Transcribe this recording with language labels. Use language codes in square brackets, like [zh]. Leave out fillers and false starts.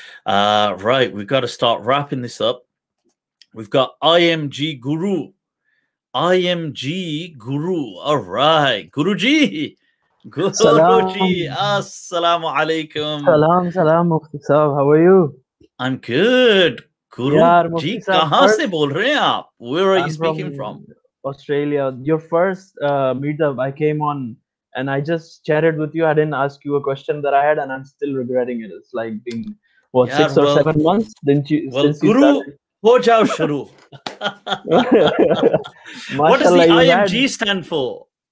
[en] Right, we've got to start wrapping this up. We've got IMG Guru. IMG Guru. All right. Guruji. Guruji. Assalamu alaikum. Salam, salam, Mufti Sahab. How are you? I'm good. [ur] گروجی، کہاں سے بول رہے آپ؟ [en] Where are you speaking from? Australia. Your first meetup, I came on and I just chatted with you. I didn't ask you a question that I had and I'm still regretting it. It's like being... What, 6 or 7 months? Didn't you, well, since Guru, you [ur] ho jao shuru. [en] What does the IMG stand for?